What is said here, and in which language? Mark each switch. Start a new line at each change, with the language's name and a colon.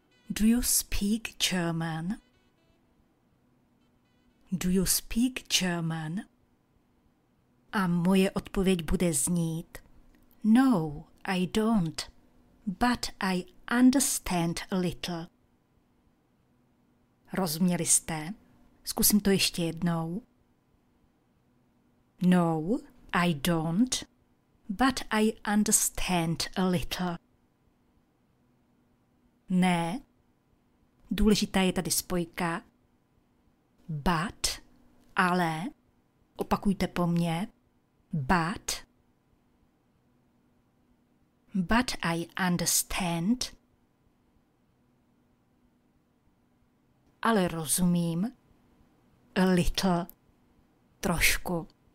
English: Do you speak German? Do you speak German?
Czech: A moje odpověď bude znít.
English: No, I don't. But I understand a little.
Czech: Rozuměli jste? Zkusím to ještě jednou.
English: No, I don't. But I understand a little.
Czech: Ne. Důležitá je tady spojka. But, ale, opakujte po mně,
English: but I understand,
Czech: ale rozumím,
English: a little,
Czech: trošku.